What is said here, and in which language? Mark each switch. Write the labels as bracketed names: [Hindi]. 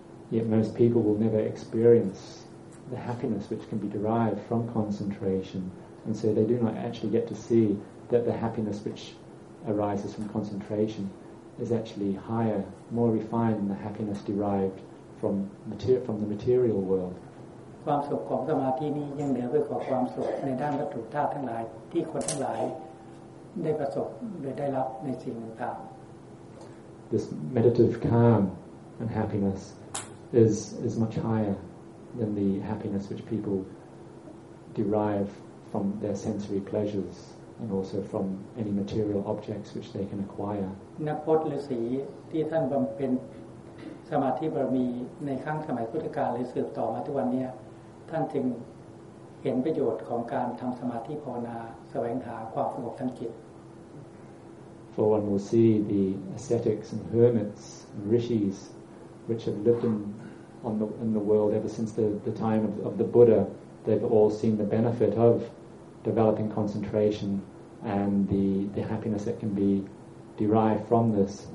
[English] Yet most people will never experience the happiness which can be derived from concentration. And so they do not actually get to see that the happiness which arises from concentration is actually higher, more refined than the happiness derived from from the material world. [Thai] ความสุขของสมาธินี้ยังเหนือไปกว่าความสุขในด้านวัตถุธาตุทั้งหลายที่คนทั้งหลายได้ประสบหรือได้รับในสิ่งต่าง [English] ๆ This meditative calm and happiness is much higher than the happiness which people derive. From their sensory pleasures and also from any material objects which they can acquire. [Thai] นักพจน์ฤาษีที่ท่านบำเพ็ญสมาธิบารมีในครั้งสมัยพุทธกาลหรือสืบต่อมาทุกวันนี้ท่านจึงเห็นประโยชน์ของการทำสมาธิภาวนาแสวงหาความสงบทางจิต [English] For one will see the ascetics and hermits and rishis which have lived in the world ever since the time of the Buddha. They've all seen the benefit of developing concentration and the happiness that can be derived from this.